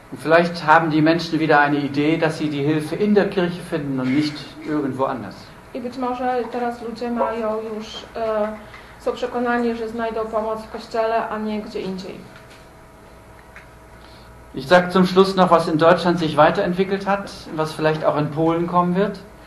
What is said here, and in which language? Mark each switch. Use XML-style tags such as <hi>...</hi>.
<de>Vielleicht haben die Menschen wieder eine Idee, dass sie die Hilfe in der Kirche finden und nicht irgendwo anders.</de> <pl>I być może teraz ludzie mają już są przekonani, że znajdą pomoc w kościele, a nie gdzie indziej.</pl> <de>Ich sag zum Schluss noch, was in Deutschland sich weiterentwickelt hat, was vielleicht auch in Polen kommen wird.</de>